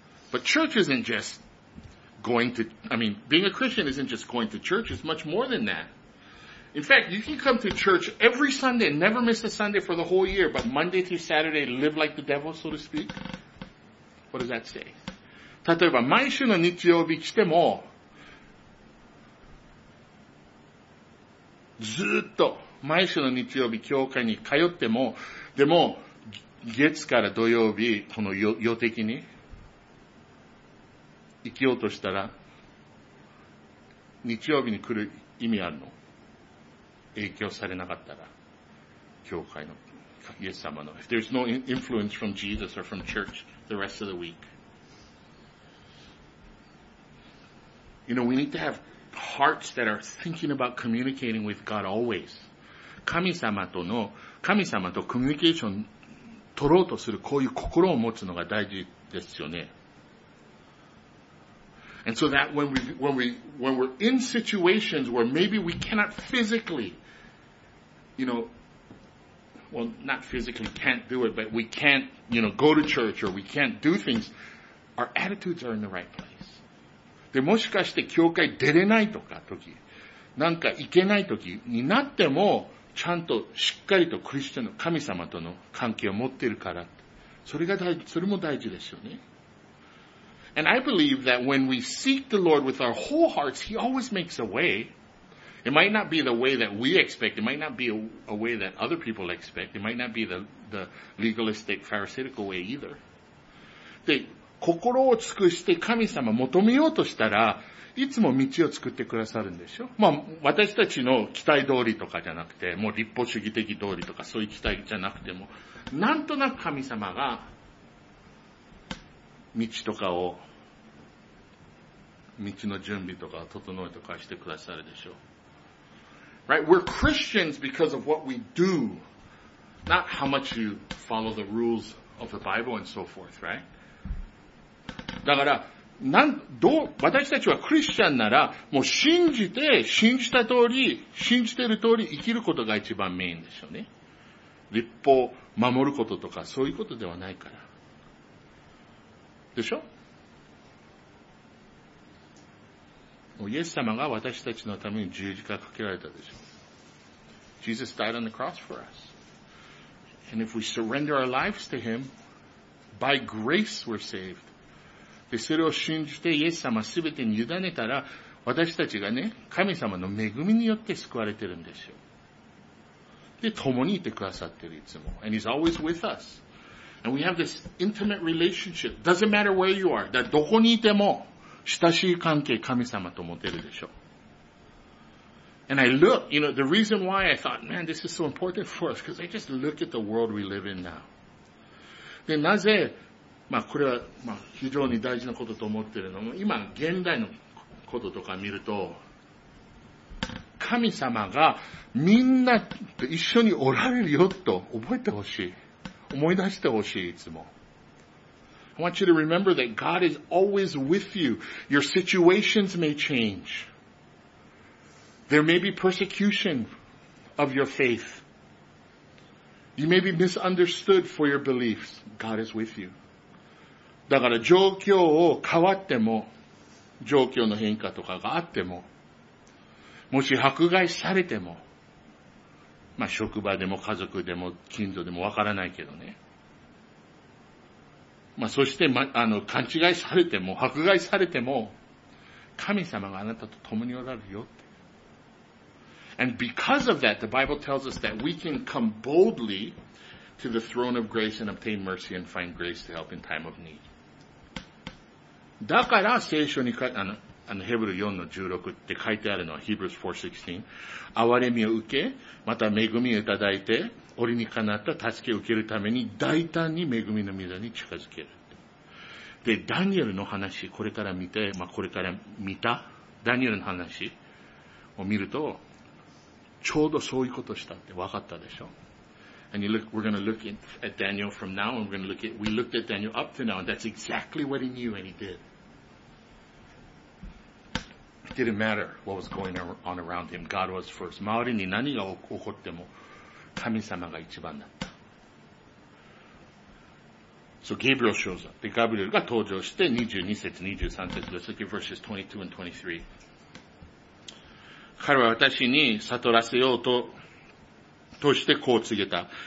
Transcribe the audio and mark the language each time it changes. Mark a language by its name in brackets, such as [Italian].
[English] But church isn't just going to, I mean, being a Christian isn't just going to church, it's much more than that. In fact, you can come to church every Sunday, never miss a Sunday for the whole year, but Monday through Saturday, live like the devil, so to speak. What does that say? [Japanese] 例えば、毎週の日曜日来ても、ずっと毎週の日曜日教会に通っても、でも、月から土曜日、この予的に、生きようとしたら、日曜日に来る意味あるの？影響されなかったら、教会の、イエス様の。 [English] If there's no influence from Jesus or from church the rest of the week. You know, we need to have hearts that are thinking about communicating with God always. [Japanese] 神様とコミュニケーション取ろうとするこういう心を持つのが大事ですよね。 [English] And so that when we're in situations where maybe we cannot physically,You know, well, not physically can't do it, but we can't, you know, go to church or we can't do things. Our attitudes are in the right place. [Japanese] で、もしかして教会出れないとか時、なんか行けない時になっても、ちゃんとしっかりとクリスチャンの神様との関係を持っているから。それも大事ですよね。 [English] And I believe that when we seek the Lord with our whole hearts, He always makes a way. It might not be the way that we expect. It might not be a way that other people expect. It might not be the legalistic, pharisaical way either. で、 [Japanese] 心を尽くして神様求めようとしたら、いつも道を作ってくださるんでしょ。まあ、私たちの期待通りとかじゃなくて、もう立法主義的通りとかそういう期待じゃなくても、なんとなく神様が、道とかを、道の準備とか整えとかしてくださるでしょう。 [English] Right? We're Christians because of what we do, not how much you follow the rules of the Bible and so forth, right? [Japanese] だから、私たちはクリスチャンなら、もう信じて、信じた通り、信じてる通り生きることが一番メインでしょうね。立法を守ることとか、そういうことではないから。でしょ？もうイエス様が私たちのために十字架かけられたでしょ。 [English] Jesus died on the cross for us. And if we surrender our lives to Him, by grace we're saved. [Japanese] で、それを信じてイエス様すべてに委ねたら、私たちがね、神様の恵みによって救われてるんですよ。で、共にいてくださってる、いつも。 [English] And He's always with us. And we have this intimate relationship. Doesn't matter where you are. [Japanese] どこにいても親しい関係神様と持てるでしょう。 [English] And I look, you know, the reason why I thought, man, this is so important for us, because I just look at the world we live in now. [Japanese] で、なぜ、まあ、これは、まあ、非常に大事なことと思ってるのも、今、現代のこととか見ると、神様がみんなと一緒におられるよと覚えてほしい。思い出してほしい、いつも。 [English] I want you to remember that God is always with you. Your situations may change. There may be persecution of your faith. You may be misunderstood for your beliefs. God is with you. [Japanese] だから状況を変わっても、状況の変化とかがあっても、もし迫害されても、まあ、職場でも家族でも近所でもわからないけどね。まあ、そして、ま、あの、勘違いされても、迫害されても、神様があなたと共におられるよって。 [English] And because of that, the Bible tells us that we can come boldly to the throne of grace and obtain mercy and find grace to help in time of need. [Japanese] だから、聖書に書いて、あの、ヘブル4の16って書いてあるのは、 [English] Hebrews 4:16。 [Japanese] 憐れみを受け、また恵みをいただいて、折にかなった助けを受けるために、大胆に恵みの御座に近づける。で、ダニエルの話、これから見て、まあ、これから見た、ダニエルの話を見ると、ちょうどそういうことしたって分かったでしょ。 [English] And you look, we're gonna look at Daniel from now, and we looked at Daniel up to now, and that's exactly what he knew and he did. It didn't matter what was going on around him. God was first. [Japanese] 周りに何が起こっても神様が一番だった。 [English] So Gabriel shows up. [Japanese] Gabriel が登場して22節、23節。 [English] Let's look at verses 22 and 23. [Japanese] 彼は私に悟らせようと、としてこう告げた。